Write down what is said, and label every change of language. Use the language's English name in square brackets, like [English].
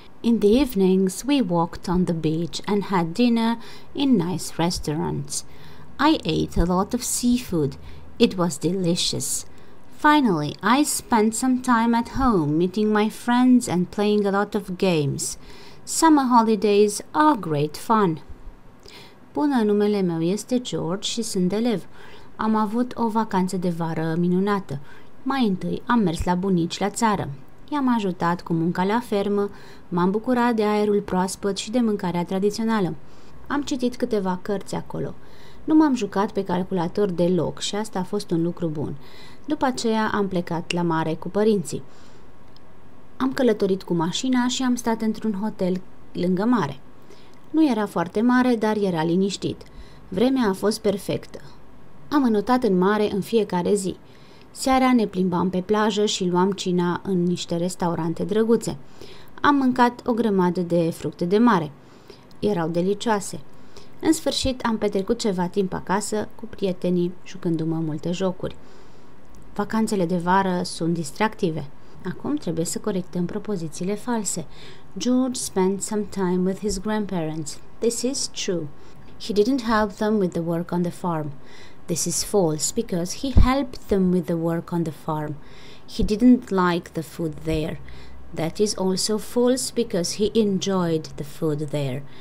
[English] In the evenings, we walked on the beach and had dinner in nice restaurants. I ate a lot of seafood. It was delicious. Finally, I spent some time at home meeting my friends and playing a lot of games. Summer holidays are great fun. [Romanian] Bună, numele meu este George și sunt elev. Am avut o vacanță de vară minunată. Mai întâi am mers la bunici la țară. I-am ajutat cu munca la fermă, m-am bucurat de aerul proaspăt și de mâncarea tradițională. Am citit câteva cărți acolo. Nu m-am jucat pe calculator deloc și asta a fost un lucru bun. După aceea am plecat la mare cu părinții. Am călătorit cu mașina și am stat într-un hotel lângă mare. Nu era foarte mare, dar era liniștit. Vremea a fost perfectă. Am înotat în mare în fiecare zi. Seara ne plimbam pe plajă și luam cina în niște restaurante drăguțe. Am mâncat o grămadă de fructe de mare. Erau delicioase. În sfârșit, am petrecut ceva timp acasă cu prietenii, jucându-mă multe jocuri. Vacanțele de vară sunt distractive. Acum trebuie să corectăm propozițiile false. [English] George spent some time with his grandparents. This is true. He didn't help them with the work on the farm. This is false because he helped them with the work on the farm. He didn't like the food there. That is also false because he enjoyed the food there.